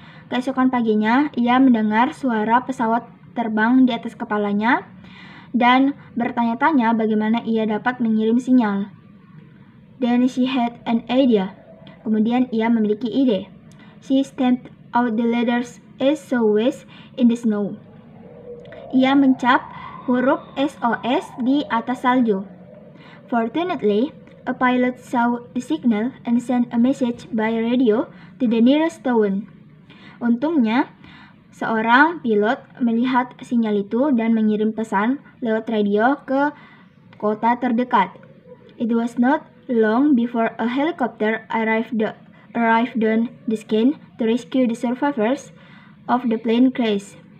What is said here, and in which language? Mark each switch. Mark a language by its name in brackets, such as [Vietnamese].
[Indonesian] Keesokan paginya, ia mendengar suara pesawat terbang di atas kepalanya dan bertanya-tanya bagaimana ia dapat mengirim sinyal. [English] Then she had an idea. [Indonesian] Kemudian ia memiliki ide. [English] She stamped out the letters SOS in the snow. [Indonesian] Ia mencap huruf SOS di atas salju. [English] Fortunately, a pilot saw the signal and sent a message by radio to the nearest town. [Indonesian] Untungnya, seorang pilot melihat sinyal itu dan mengirim pesan lewat radio ke kota terdekat. [English] It was not long before a helicopter arrived on the scene to rescue the survivors of the plane crash.